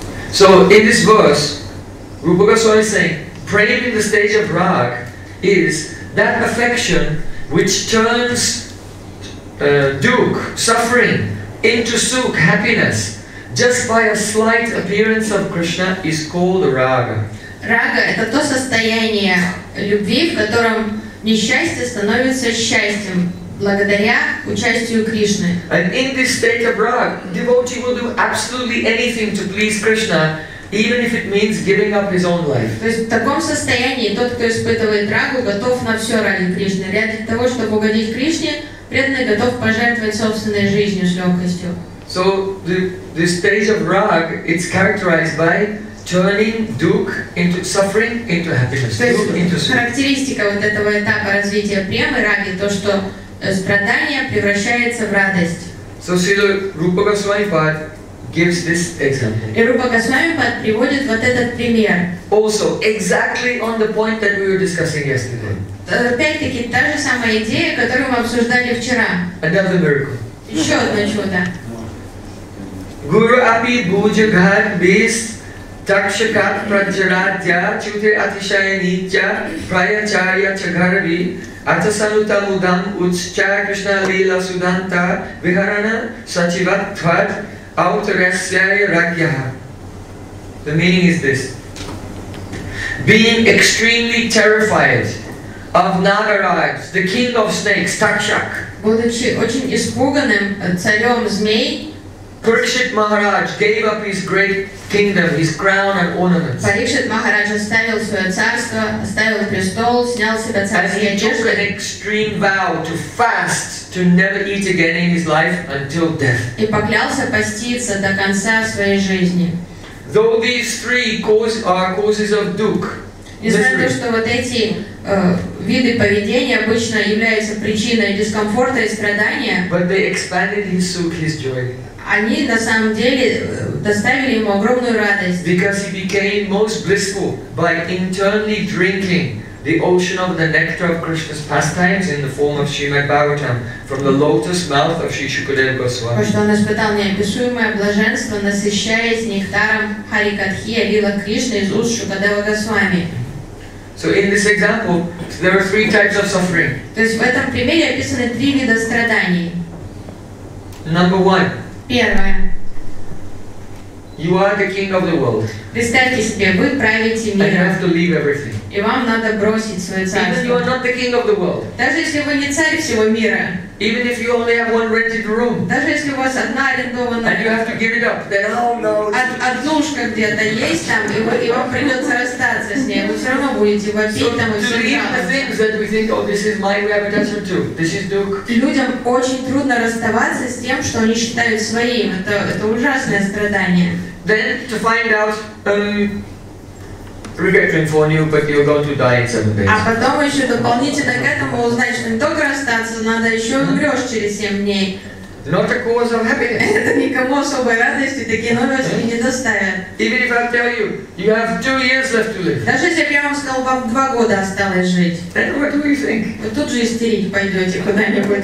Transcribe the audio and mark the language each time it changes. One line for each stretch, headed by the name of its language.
English: So in this verse, Rupa Goswami is saying, praying in the stage of rag is that affection which turns dukkh, suffering, into sukh, happiness, just by a slight appearance of Krishna is called raga.
Russian: Raga – это то состояние любви, в котором несчастье становится счастьем благодаря участию Кришны.
English: And in this state of rag, devotee will do absolutely anything to please Krishna, even if it means giving up his own life.
Russian: То есть в таком состоянии тот, кто испытывает рагу, готов на все ради Кришны. Ради того, чтобы угодить Кришне, преданный готов пожертвовать собственной жизнью с легкостью.
English: So the stage of rag, it's characterized by turning dukkh into suffering into happiness.
Russian: То есть into характеристика вот этого этапа развития премы раги то, что страдание превращается в радость.
English: So Srila Rupa Goswami Pad gives this example.
Russian: И Рупа Госвами Пад приводит вот этот пример.
English: Also, exactly on the point that we were discussing yesterday.
Russian: Опять-таки, та же самая идея, которую мы обсуждали вчера.
English: Another miracle.
Russian: Еще одно чудо.
Sanskrit: Guru api bhuja ghat bis takshakat prajaradya chute atishaya nitya prayacharya chagharvi Atasanuta mudam utscha Krishna lila sudanta viharana sachivat thvat autaresyaya ragyaha.
English: The meaning is this. Being extremely terrified of Nagaraj, the king of snakes, Takshak.
Russian: Будучи очень испуганным царем змей,
English: Parikshit Maharaj gave up his great kingdom, his crown and ornaments.
Russian: Parikshit Maharaj оставил свое царство, оставил престол, снял себя царские одежды.
English: And he took an extreme vow to fast, to never eat again in his life until death.
Russian: И поклялся поститься до конца своей жизни.
English: Though these three are causes of dukkh.
Russian: Несмотря на то, что вот эти виды поведения обычно являются причиной дискомфорта и страдания.
English: But they expanded his sukh, his joy.
Russian: Они на самом деле доставили ему огромную радость.
English: Because he became most blissful by internally drinking the ocean of the nectar of Krishna's pastimes in the form of Srimad Bhagavatam from the lotus mouth of Sri Shukadeva Goswami.
Russian: Потому что он испытал неописуемое блаженство, насыщаясь нектаром Харикатхи, лила Кришны из уст Шукадева Госвами.
English: So in this example, there are three types of suffering.
Russian: То есть в этом примере описаны три вида страданий.
English: Number one.
Russian: Первое.
English: You are the king of the world.
Russian: Представьте себе, вы правите миром.
English: And you have to leave everything.
Russian: И вам надо бросить свое царство.
English: Even you are not the king of the world.
Russian: Даже если вы не царь всего мира.
English: Even if you only have one rented room.
Russian: Даже если у вас одна арендованная.
English: And you have to give it up. Then,
Russian: Однушка где-то есть там, и вам придется расстаться с ней. Вы все равно будете вопить so там и все жаловаться.
English: So to leave the things that we think, oh, this is my reputation too. This is duk.
Russian: Людям очень трудно расставаться с тем, что они считают своим. Это ужасное страдание.
English: Then to find out regret to inform you, but you're going to die in 7 days.
Russian: А потом еще дополнительно к этому узнать, что не только расстаться, надо еще умрешь через 7 дней.
English: Not a cause of happiness.
Russian: Это никому особой радости такие новости не доставят.
English: Even if I tell you, you have 2 years left to live.
Russian: Даже если бы я вам сказал, вам 2 года осталось жить.
English: Then what do you think?
Russian: Вы тут же истерить пойдете куда-нибудь.